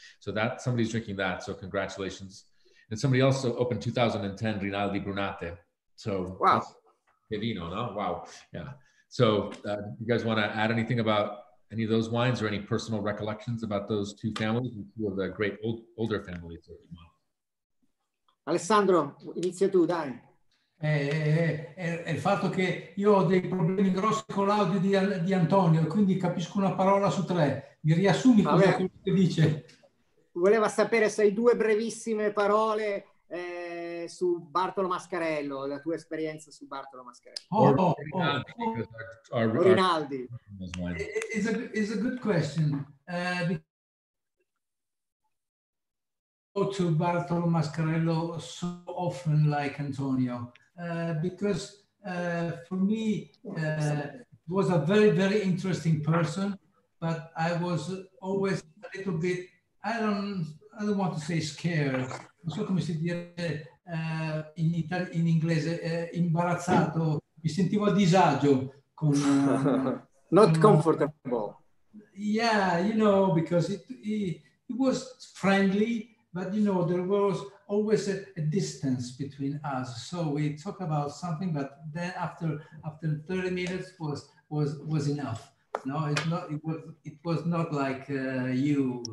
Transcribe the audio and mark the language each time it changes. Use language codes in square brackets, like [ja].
[en] So that somebody's drinking that. So congratulations. And somebody else opened 2010 Rinaldi Brunate. So wow. Vino, no? Wow. Yeah. So you guys want to add anything about any of those wines, or any personal recollections about those two families, two of the great older families? [it] Alessandro, inizia tu, dai. Il fatto che io ho dei problemi grossi con l'audio di Antonio, quindi capisco una parola su tre. Mi riassumi cosa che dice? Voleva sapere se hai due brevissime parole su Bartolo Mascarello, la tua esperienza su Bartolo Mascarello. [en] Rinaldi. It's a good question. Go to Bartolo Mascarello so often like Antonio, because for me he was a very, very interesting person, but I was always a little bit, I don't want to say scared. [it] Non so come si dire in inglese, imbarazzato, mi sentivo a disagio con [en] not comfortable. Yeah, you know, because it was friendly, but you know, there was always a distance between us. So we talk about something, but then after 30 minutes was enough. No, it was not like you.